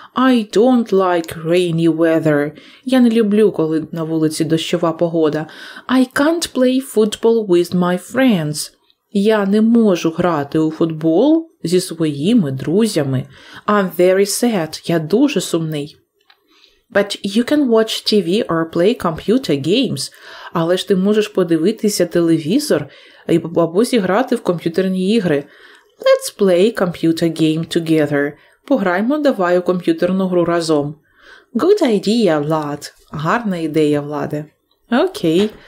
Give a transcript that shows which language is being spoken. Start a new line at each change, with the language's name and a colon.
English: I don't like rainy weather.
Ukrainian: Я не люблю, коли на вулиці дощова погода.
English: I can't play football with my friends.
Ukrainian: Я не можу грати у футбол зі своїми друзями.
English: I'm very sad.
Ukrainian: Я дуже сумний.
English: But you can watch TV or play computer games.
Ukrainian: Але ж ти можеш подивитися телевізор або зіграти в комп'ютерні ігри.
English: Let's play computer game together.
Ukrainian: Пограймо давай у комп'ютерну гру разом.
English: Good idea,
Ukrainian: Влад. Гарна ідея, Владе. Окей.